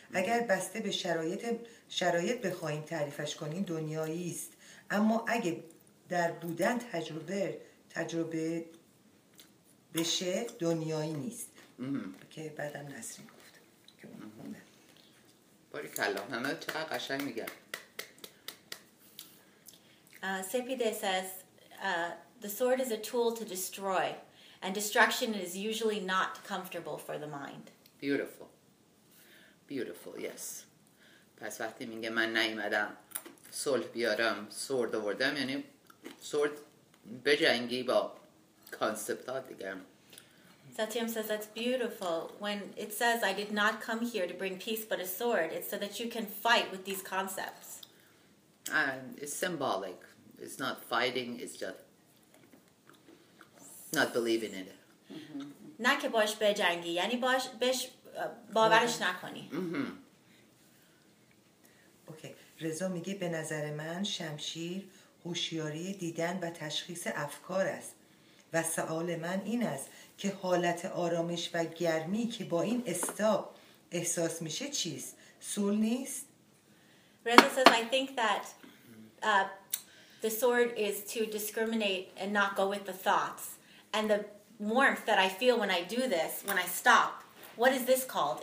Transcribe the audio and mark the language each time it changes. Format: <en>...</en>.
<fa>اگر بسته به شرایط بخوایم تعریفش کنیم دنیایی است، اما اگه در بودن تجربه بشه دنیایی نیست. که بعدم نسرین گفت باری کلا همه چقدر قشنگ میگم.</fa> <en>Sepideh says the sword is a tool to destroy and destruction is usually not comfortable for the mind. Beautiful, yes.</en> <fa>پس وقتی میگه من نیومدم صلح بیارم، سورد آوردم، یعنی سورد بجنگی با کانسپت ها دیگه.</fa> <en>Satyam says that's beautiful. When it says, I did not come here to bring peace but a sword, it's so that you can fight with these concepts. It's symbolic. It's not fighting, it's just not believing in it.</en> <fa>نه که باش بجنگی، یعنی باش باورش نکنی.</fa> <en>Okay.</en> <fa>رضا میگه به نظر من شمشیر هوشیاری دیدن و تشخیص افکار است. و سؤال من این است که حالت آرامش و گرمی که با این استاب احساس میشه چیست؟ سول نیست؟</fa> <en>Reza says, I think that the sword is to discriminate and not go with the thoughts. And the warmth that I feel when I do this, when I stop, what is this called?</en>